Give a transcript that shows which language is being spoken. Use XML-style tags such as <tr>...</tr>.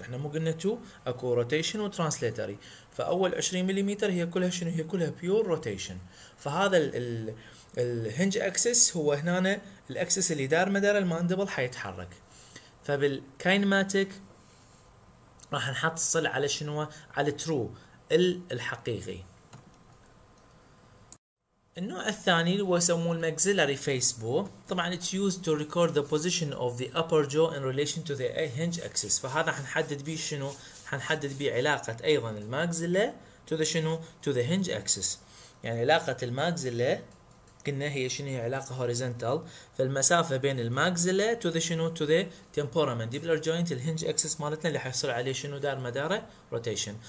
<ar>احنا مو قلنا تو اكو روتيشن وترانسليتري، فاول 20 ملم هي كلها شنو؟ هي كلها بيور روتيشن. فهذا الهنج اكسس هو هنا الاكسس اللي دار مدار الماندبل حيتحرك. فبالكاينماتيك راح نحط الصلع على شنو؟ على ترو الحقيقي. النوع الثاني هو يسموه الماكسيلاري فيس بو، طبعا</ar> <en>it's used to record the position of the upper jaw in relation to the hinge axis.</en> <ar>فهذا حنحدد به شنو؟ حنحدد به علاقة ايضا الماكسيلا to the شنو؟</ar> <en>to the hinge axis.</en> <ar>يعني علاقة الماكسيلا قلنا هي شنو؟ هي علاقة horizontal، فالمسافة بين الماكسيلا to the شنو؟</ar> <en>to the temporomandibular joint</en> <ar>الhinge axis مالتنا اللي حيحصل عليه شنو؟ دار مداره rotation.</ar>